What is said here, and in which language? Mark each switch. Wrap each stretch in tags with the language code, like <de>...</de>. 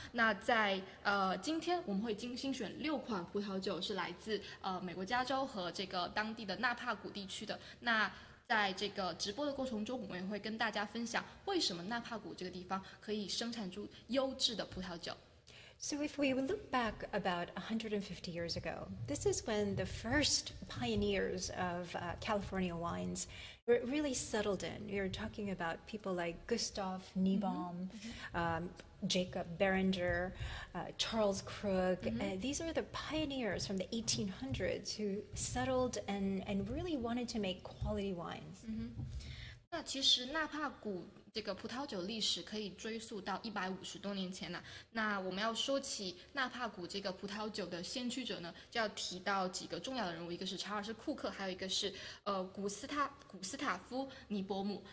<zh>那在今天我们会精心选6款葡萄酒是来自美国加州和这个当地的纳帕谷地区的。那在这个直播的过程中，我们也会跟大家分享为什么纳帕谷这个地方可以生产出优质的葡萄酒。</zh> <en>So if we look back about 150 years ago, this is when the first pioneers of California wines really settled in. You're talking about people like Gustav Niebaum, Jacob Berenger, Charles Krug. These are the pioneers from the 1800s who settled and really wanted to make quality wines. Mm-hmm.</en> <zh>那其实纳帕谷这个葡萄酒历史可以追溯到150多年前了。那我们要说起纳帕谷这个葡萄酒的先驱者呢，就要提到几个重要的人物，一个是查尔斯·库克，还有一个是古斯塔夫·尼伯姆。</zh>